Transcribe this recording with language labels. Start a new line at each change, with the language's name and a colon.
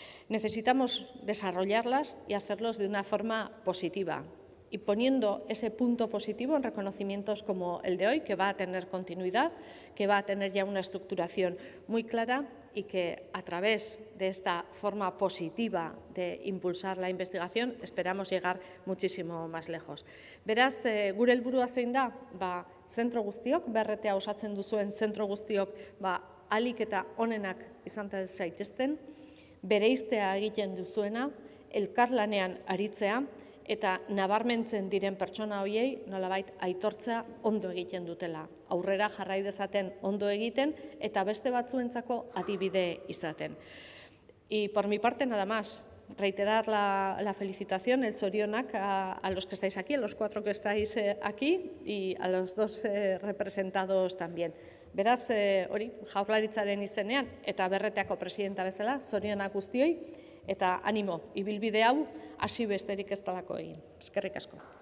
Spanish: Necesitamos desarrollarlas y hacerlos de una forma positiva y poniendo ese punto positivo en reconocimientos como el de hoy, que va a tener continuidad, que va a tener ya una estructuración muy clara y que a través de esta forma positiva de impulsar la investigación esperamos llegar muchísimo más lejos.
Basque: Beraz, gure helburua zein da, ba, zentro guztiok, BRTA osatzen duzuen zentro guztiok, ba, alik eta onenak izan zaitezten, bereiztea egiten duzuena, elkarlanean aritzea eta nabarmentzen diren pertsona horiei nolabait aitortzea ondo egiten dutela. Aurrera jarrai dezaten ondo egiten eta beste batzuentzako adibide izaten.
Spanish: Y por mi parte nada más, reiterar la felicitación, el zorionak a los que estáis aquí, a los cuatro que estáis aquí y a los dos representados también.
Basque: Beraz, hori, Jaurlaritzaren izenean eta BRTA-ko presidenta bezala, zorionak guztioi eta animo, ibilbide hau hasi besterik ez dalako egin. Eskerrik asko.